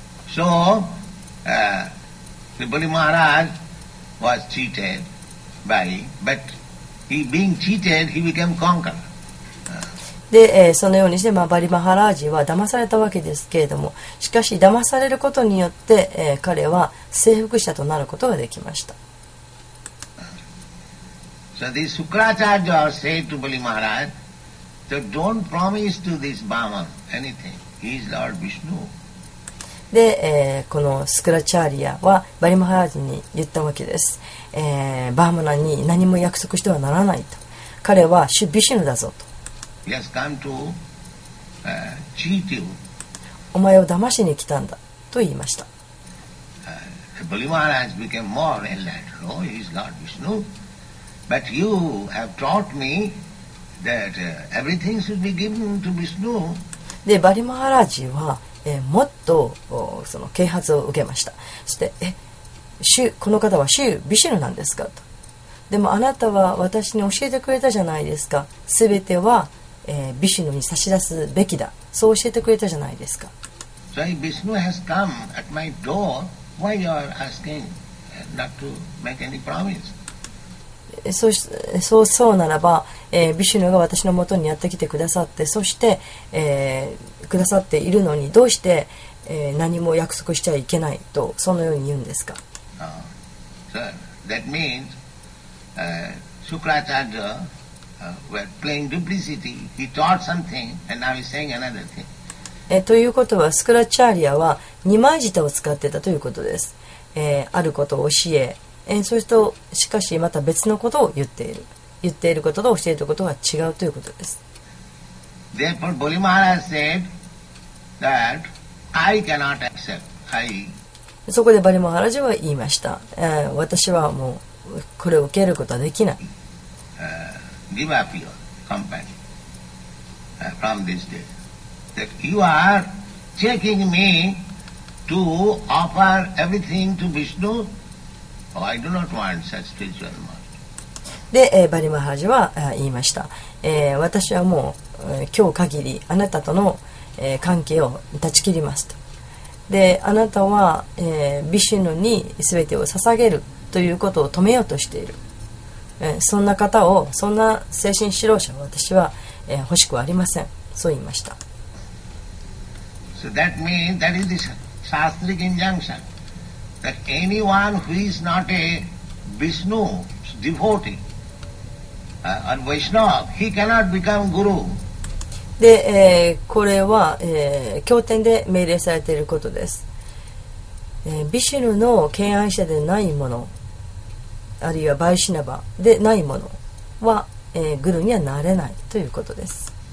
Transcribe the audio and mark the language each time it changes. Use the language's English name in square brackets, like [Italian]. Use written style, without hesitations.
[English] So, Tripuli Maharaj was cheated by, but he being cheated, he became conqueror. [Japanese] で、そのようにして、まあ、バリマハラージは騙されたわけですけれども、しかし騙されることによって、彼は征服者となることができました。 [English] So this Sukracharya said to Bali Maharaj, so don't promise to this Brahman anything. He is Lord Vishnu. [Japanese] で、このスクラチャーリアはバリマハラージに言ったわけです、バーマナに何も約束してはならないと、彼はシュビシュヌだぞと。 [English] He has come to, cheat you. [Japanese] お前を騙しに来たんだと言いました。 [English] バリマハラージ became more enlightened. Oh, he is Lord Vishnu. But you have taught me that, everything should be given to Vishnu. [Japanese] で、バリマハラージはもっとその啓発を受けました。そして、この方はシュビシュヌなんですかと。でもあなたは私に教えてくれたじゃないですか、すべては、ビシュヌに差し出すべきだ、そう教えてくれたじゃないですか。 [English] So if Vishnu has come at my door, why you are asking not to make any promise? [Japanese] そうならば、ビシュヌが私のもとにやってきてくださって、そして、くださっているのに、どうして、何も約束しちゃいけないと、そのように言うんですか。 [English] So, that means, Shukracharya, were playing duplicity. He taught something, and now he's saying another thing. [Japanese] ということは、スクラチャーリアは二枚舌を使ってたということです。あることを教え、そうするとしかしまた別のことを言っている、言っていることと教えていることが違うということです。 [English] Therefore, Bali Maharaj said that I cannot accept. I... [Japanese] そこでバリマハラジは言いました、私はもうこれを受けることはできない。 [English] Give up your company, from this day. That you are taking me to offer everything to Vishnu. I do not want such spiritual master. [Japanese] で、バリマハラジは言いました、私はもう、今日限りあなたとの、関係を断ち切りますと。で、あなたは、ビシュヌに全てを捧げるということを止めようとしている、そんな方を、そんな精神指導者を私は、欲しくはありません、そう言いました。 [English] So that means that is the Shastric injunctionThat anyone who is not a Vishnu devotee, or Vaishnava, he cannot become guru. [Japanese] で、これは、経典で命令されていることです。ビシュヌの敬愛者でないもの、あるいはバイシナバでないものは、グルにはなれないということです。